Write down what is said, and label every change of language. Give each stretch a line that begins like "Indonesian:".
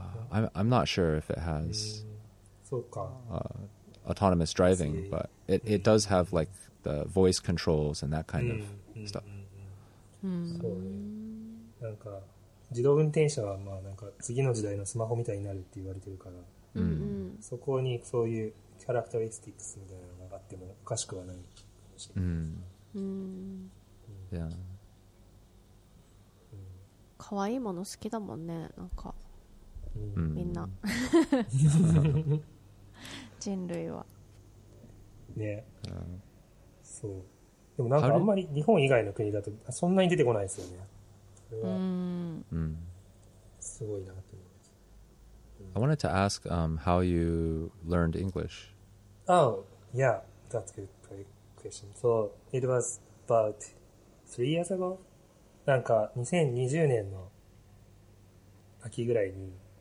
English: I'm not sure if it has autonomous driving, but it does have like the voice controls and that kind of stuff.
Japanese: そうね。なんか自動運転車はまあなんか次の時代のスマホみたいになるって言われてるから、そこにそういうキャラクタリスティックスみたいなのがあってもおかしくはない。かわいいもの好きだもんね、なんかみんな人類はね。そう、でもなんかあんまり日本以外の国だとそんなに出てこないですよね。すごいなと思います。
English: I wanted to ask how you learned English. Oh yeah, that's a good question. So it was about 3 years ago?
Japanese: なんか2020年の秋ぐらいに、